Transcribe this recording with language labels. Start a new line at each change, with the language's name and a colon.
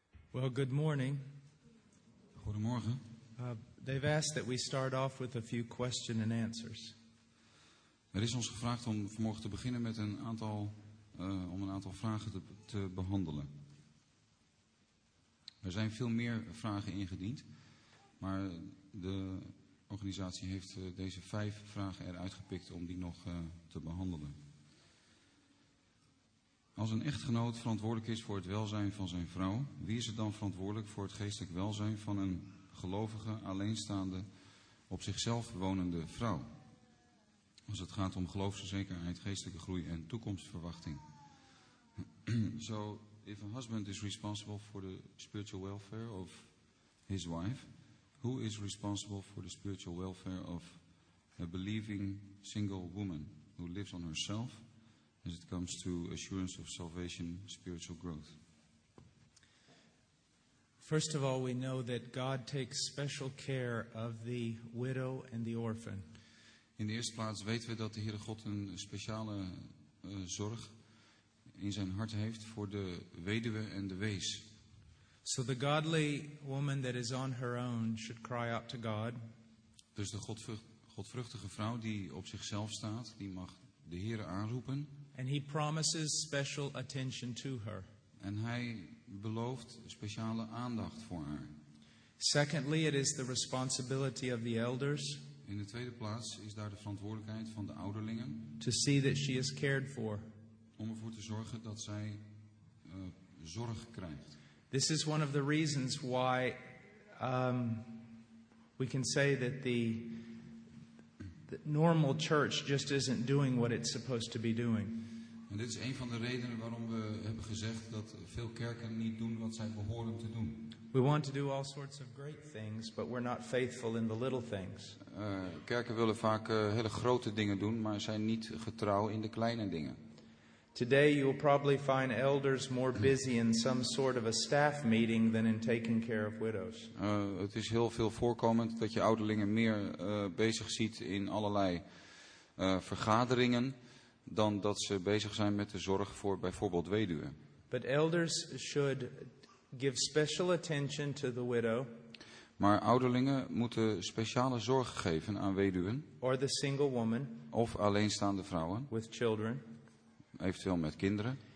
English: Well, good morning.
Dutch: Goedemorgen.
English: They've asked that we start off with a few questions and answers.
Dutch: Er is ons gevraagd om vanmorgen te beginnen met een aantal vragen te behandelen. Er zijn veel meer vragen ingediend, maar de organisatie heeft deze 5 vragen eruit gepikt om die nog te behandelen. Als een echtgenoot verantwoordelijk is voor het welzijn van zijn vrouw, wie is het dan verantwoordelijk voor het geestelijk welzijn van een gelovige, alleenstaande, op zichzelf wonende vrouw? Als het gaat om geloofszekerheid, geestelijke groei en toekomstverwachting.
English: So, if a husband is responsible for the spiritual welfare of his wife, who is responsible for the spiritual welfare of a believing single woman who lives on herself? As it comes to assurance of salvation, spiritual growth. First of all, we know that God takes special care of the widow and the orphan.
Dutch: In de eerste plaats weten we dat de Heere God een speciale zorg in zijn hart heeft voor de weduwe en de wees.
English: So the godly woman that is on her own should cry out to God.
Dutch: Dus de godvruchtige vrouw die op zichzelf staat, die mag de Heere aanroepen.
English: And he promises special attention to her.
Dutch: En hij belooft speciale aandacht voor haar.
English: Secondly, it is the responsibility of the elders.
Dutch: In de tweede plaats is daar de verantwoordelijkheid van de ouderlingen.
English: To see that she is cared for.
Dutch: Om ervoor te zorgen dat zij zorg krijgt.
English: This is one of the reasons why we can say that the normal church just isn't doing what it's supposed to be doing.
Dutch: En dit is een van de redenen waarom we hebben gezegd dat veel kerken niet doen wat zij behoren te doen.
English: We want to do all sorts of great things, but we're not faithful in the little things.
Dutch: Kerken willen vaak hele grote dingen doen, maar zijn niet getrouw in de kleine dingen.
English: Today you will probably find elders more busy in some sort of a staff meeting than in taking care of widows.
Dutch: Het is heel veel voorkomend dat je ouderlingen meer bezig ziet in allerlei vergaderingen dan dat ze bezig zijn met de zorg voor bijvoorbeeld weduwen.
English: But elders should give special attention to the widow.
Dutch: Maar ouderlingen moeten speciale zorg geven aan weduwen.
English: Or the single woman.
Dutch: Of alleenstaande vrouwen.
English: With children.
Dutch: Eventueel met kinderen.